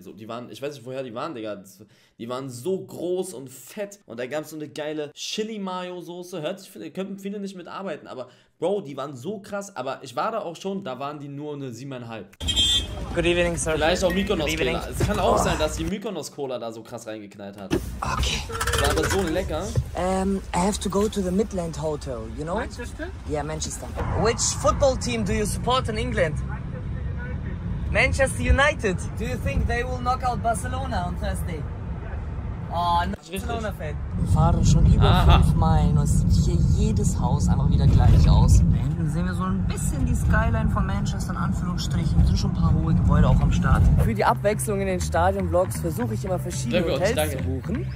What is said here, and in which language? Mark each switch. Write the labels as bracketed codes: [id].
[de] So, die waren, ich weiß nicht, woher die waren, Digga. Die waren so groß und fett. Und da gab es so eine geile Chili-Mayo-Soße. Hört sich, können viele nicht mitarbeiten, aber Bro, die waren so krass. Aber ich war da auch schon, da waren die nur eine 7,5. [en] Good evening, sir. [de] Vielleicht auch Mykonos-Cola. Es kann auch sein, dass die Mykonos-Cola da so krass reingeknallt hat. Okay. War aber so lecker. [en] I have to go to the Midland Hotel, you know? Manchester? Yeah, Manchester. Which football team do you support in England? Manchester United. Do you think they will knock out Barcelona on Thursday? [de] Oh, wir fahren schon über 5 Meilen und es sieht hier jedes Haus einfach wieder gleich aus. Da hinten sehen wir so ein bisschen die Skyline von Manchester in Anführungsstrichen. Es sind schon ein paar hohe Gebäude auch am Start. Für die Abwechslung in den Stadion-Vlogs versuche ich immer verschiedene Hotels zu buchen.